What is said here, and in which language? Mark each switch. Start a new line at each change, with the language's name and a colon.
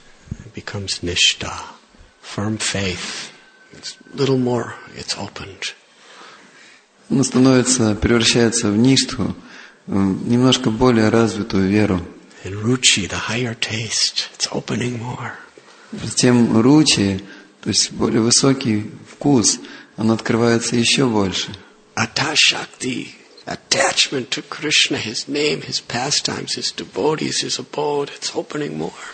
English: It becomes nishta, firm faith. It's little more, it's opened.
Russian: Оно становится, превращается в ништху, немножко более развитую веру.
English: And ruchi, the higher taste, it's opening more.
Russian: Затем ручи, то есть более высокий вкус, он открывается еще больше.
English: Atashakti, attachment to Krishna, his name, his pastimes, his devotees, his abode, it's opening more.